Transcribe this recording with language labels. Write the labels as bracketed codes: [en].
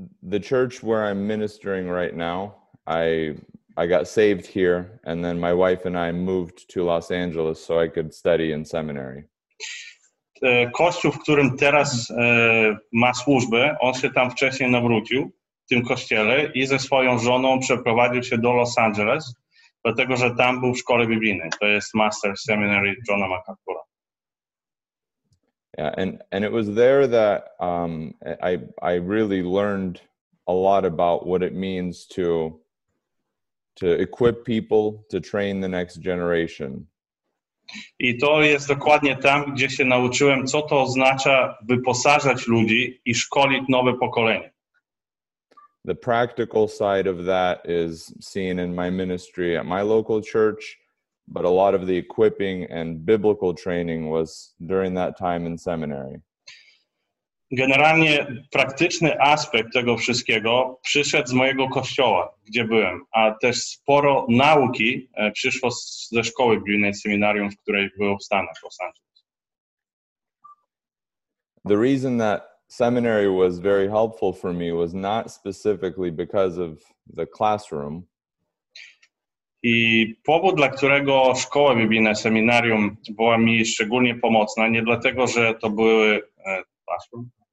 [en] The church where I'm ministering right now, I got saved here, and then my wife and I moved to Los Angeles so I could study in seminary. [pl] Kościół, w którym teraz ma służbę, on się tam wcześniej nawrócił, w tym kościele, i ze swoją żoną przeprowadził się do Los Angeles, dlatego że tam był w szkole biblijnej. To jest Master Seminary Johna MacArthur. [en] Yeah, and it was there that I really learned a lot about what it means to equip people, to train the next generation. [pl] I to jest dokładnie tam, gdzie się nauczyłem, co to oznacza wyposażać ludzi i szkolić nowe pokolenie. [en] The practical side of that is seen in my ministry at my local church, but a lot of the equipping and biblical training was during that time in seminary. [pl] Generalnie praktyczny aspekt tego wszystkiego przyszedł z mojego kościoła, gdzie byłem, a też sporo nauki przyszło ze szkoły biblijnej, seminarium, w której byłem w Stanach, Los Angeles. [en] The reason that seminary was very helpful for me was not specifically because of the classroom. [pl] I powód, dla którego szkoła biblijna, seminarium była mi szczególnie pomocna, nie dlatego, że to były classroom.